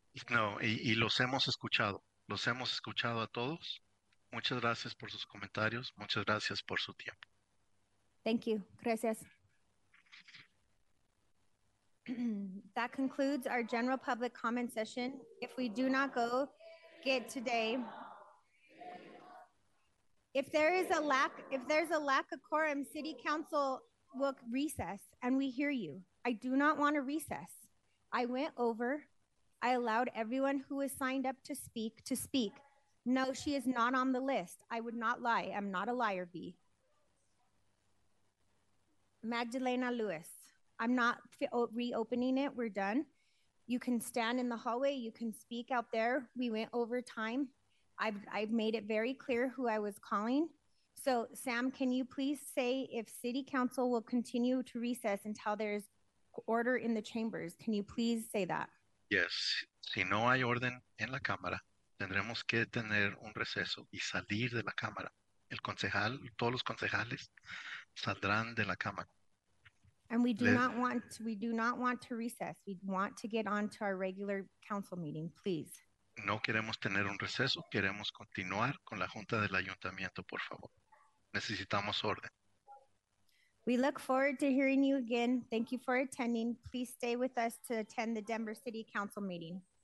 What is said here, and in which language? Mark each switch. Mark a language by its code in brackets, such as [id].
[es] No, y los hemos escuchado. Los hemos escuchado a todos. Muchas gracias por sus comentarios. Muchas gracias por su tiempo. [en] Thank you. [es] Gracias. [en] That concludes our general public comment session. If we do not go get today... If there's a lack of quorum, City Council will recess and we hear you. I do not want to recess. I went over. I allowed everyone who was signed up to speak. No, she is not on the list. I would not lie. I'm not a liar, B. Magdalena Lewis. I'm not reopening it. We're done. You can stand in the hallway. You can speak out there. We went over time. I've made it very clear who I was calling. So, Sam, can you please say if City Council will continue to recess until there's order in the chambers? Can you please say that? Yes. [es] Si no hay orden en la Cámara, tendremos que tener un receso y salir de la Cámara. El concejal, todos los concejales saldrán de la Cámara. [en] And we do not want to recess. We want to get on to our regular council meeting, please. [es] No queremos tener un receso, queremos continuar con la Junta del Ayuntamiento, por favor. Necesitamos orden. [en] We look forward to hearing you again. Thank you for attending. Please stay with us to attend the Denver City Council meeting.